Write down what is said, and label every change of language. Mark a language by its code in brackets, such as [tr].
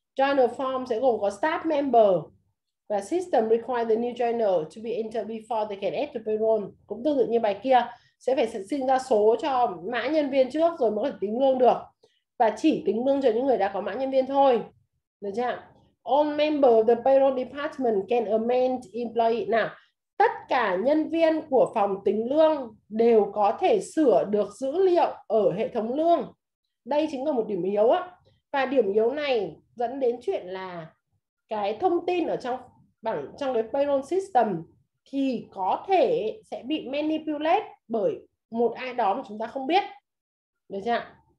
[en] Joiner form [vi] sẽ gồm có [en] staff member [vi] và [en] system require the new joiner to be entered before they can add to payroll. [vi] Cũng tương tự như bài kia, sẽ phải xin ra số cho mã nhân viên trước rồi mới có thể tính lương được. Và chỉ tính lương cho những người đã có mã nhân viên thôi. Được chưa ạ? [en] All member of the payroll department can amend employee. [vi] Nào, tất cả nhân viên của phòng tính lương đều có thể sửa được dữ liệu ở hệ thống lương. Đây chính là một điểm yếu á. Và điểm yếu này dẫn đến chuyện là cái thông tin ở trong cái payroll system thì có thể sẽ bị manipulate bởi một ai đó mà chúng ta không biết. Được chưa ạ?